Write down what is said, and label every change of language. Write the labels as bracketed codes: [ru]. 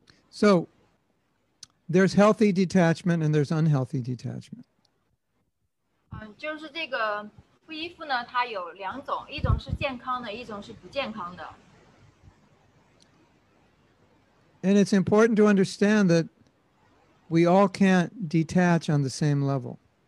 [en] So there's healthy detachment and there's unhealthy detachment. [zh] 就是这个不依附呢，它有两种， 一种是健康的， 一种是不健康的。 [en] And it's important to understand that we all can't detach on the same level.